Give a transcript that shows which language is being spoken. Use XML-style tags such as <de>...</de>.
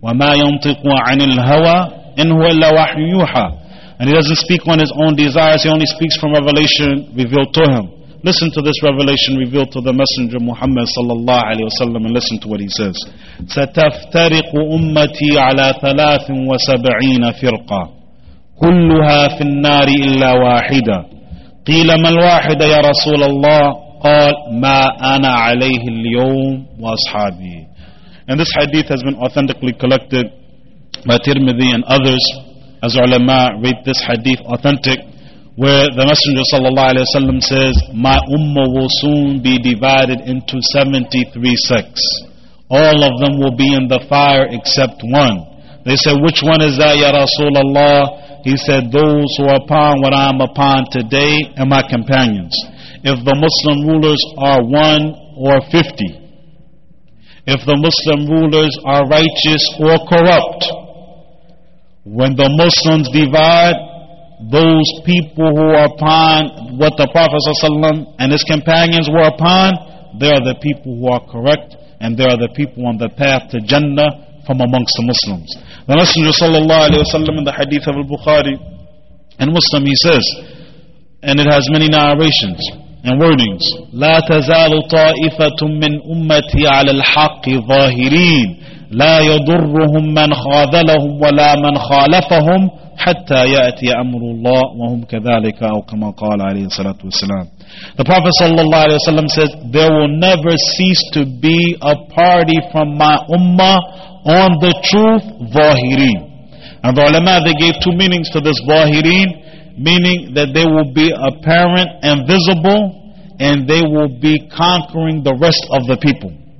<ar>Wa ma yantiqu 'anil hawa in huwa illa wahyu yuha.</ar> <en>And he doesn't speak on his own desires, he only speaks from revelation revealed to him. Listen to this revelation revealed to the Messenger Muhammad sallallahu alayhi wa sallam, and listen to what he says.</en> <ar>Sataftariqu ummati ala 73 firqa. كلها في النار إلا واحدة قيل ما الواحدة يا رسول الله قال ما أنا عليه اليوم وأصحابي.</ar> <en>And this hadith has been authentically collected by Tirmidhi and others, as ulama read this hadith authentic, where the Messenger sallallahu alaihi wasallam says, my ummah will soon be divided into 73 sects, all of them will be in the fire except one. They said, which one is that ya Rasulullah? He said, those who are upon what I am upon today and my companions. If the Muslim rulers are one or 50. If the Muslim rulers are righteous or corrupt, when the Muslims divide, those people who are upon what the Prophet ﷺ and his companions were upon, they are the people who are correct, and they are the people on the path to Jannah from amongst the Muslims. The Messenger sallallahu alayhi wa sallam in the hadith of al-Bukhari and Muslim, he says, and it has many narrations and wordings,</en> <ar>لا تزال طائفة من أمتي على الحق ظاهرين لا يضرهم من خاذلهم ولا من خالفهم حتى يأتي أمر الله وهم كذلك أو كما قال عليه الصلاة والسلام.</ar> <en>The Prophet sallallahu alayhi wa sallam says, there will never cease to be a party from my ummah on the truth, ظاهرين. And the ulama, they gave two meanings to this ظاهرين, meaning that they will be apparent and visible, and they will be conquering the rest of the people.</en>